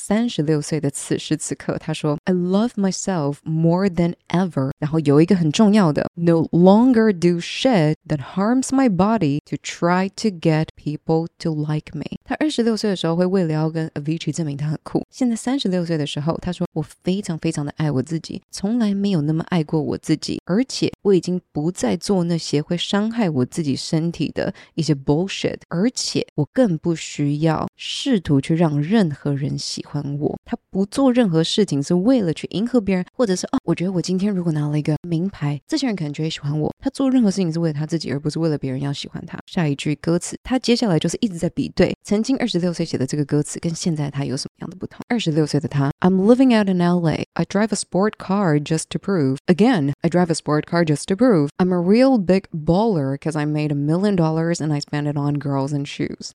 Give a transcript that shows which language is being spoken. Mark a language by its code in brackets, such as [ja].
[zh] 36岁的此时此刻他说 [en] I love myself more than ever, [zh] 然后有一个很重要的 [en] No longer do shit that harms my body to try to get people to like me. [zh] 他26岁的时候会为了要跟 Avicii 证明他很 cool, 现在36岁的时候他说我非常非常的爱我自己，从来没有那么爱过我自己，而且我已经不再做那些会伤害我自己身体的一些 bullshit, 而且我更不需要试图去让任何人喜欢我。他不做任何事情是为了去迎合别人，或者是、哦、我觉得我今天如果拿了一个名牌这些人可能就会喜欢我，他做任何事情是为了他自己而不是为了别人要喜欢他。下一句歌词他接下来就是一直在比对曾经26岁写的这个歌词跟现在他有什么样的不同。 26岁的他 [en] I'm living out in LA, I drive a sport car just to prove, again, I drive a sport car just to prove, I'm a real big baller because I made $1 million and I spend it on girls and shoes.